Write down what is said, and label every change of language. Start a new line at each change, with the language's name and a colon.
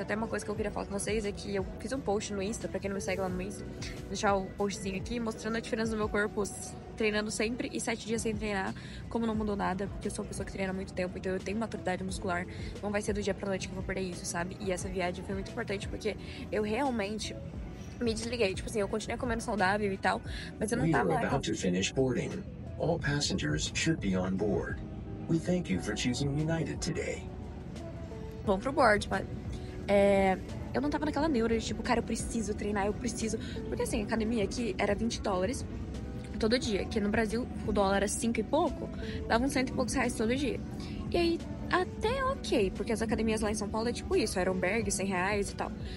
Portuguese: Até uma coisa que eu queria falar com vocês é que eu fiz um post no Insta. Pra quem não me segue lá no Insta, vou deixar o postzinho aqui, mostrando a diferença do meu corpo treinando sempre e 7 dias sem treinar, como não mudou nada, porque eu sou uma pessoa que treina há muito tempo, então eu tenho maturidade muscular. Não vai ser do dia pra noite que eu vou perder isso, sabe? E essa viagem foi muito importante porque eu realmente me desliguei. Tipo assim, eu continuei comendo saudável e tal, mas eu não tava lá.
English: About to finish boarding. All passengers should be on board. We thank you for choosing United today.
Portuguese: Vamos pro board, mas... eu não tava naquela neura de tipo, cara, eu preciso treinar, eu preciso. Porque assim, a academia aqui era $20 todo dia, que no Brasil o dólar era 5 e pouco, dava uns 100 e poucos reais todo dia. E aí, até ok, porque as academias lá em São Paulo é tipo isso, era um berg, 100 reais e tal.